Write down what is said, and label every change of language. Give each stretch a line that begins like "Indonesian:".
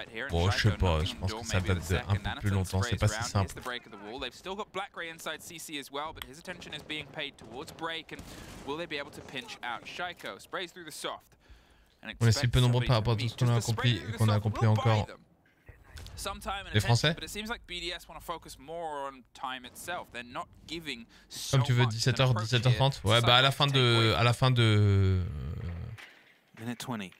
French: Bon, je sais pas, je pense que ça date d'un peu plus longtemps, c'est pas si simple.
English: They've still got Black Ray inside CC as well, but his attention is being paid towards break, and will they be able to pinch out Shaiko? Sprays through the soft.
French: On est si peu nombreux par rapport à tout ce qu'on a accompli et qu'on a accompli encore. Les Français? Comme tu veux, 17h, 17h30. Ouais, bah à la fin de la game.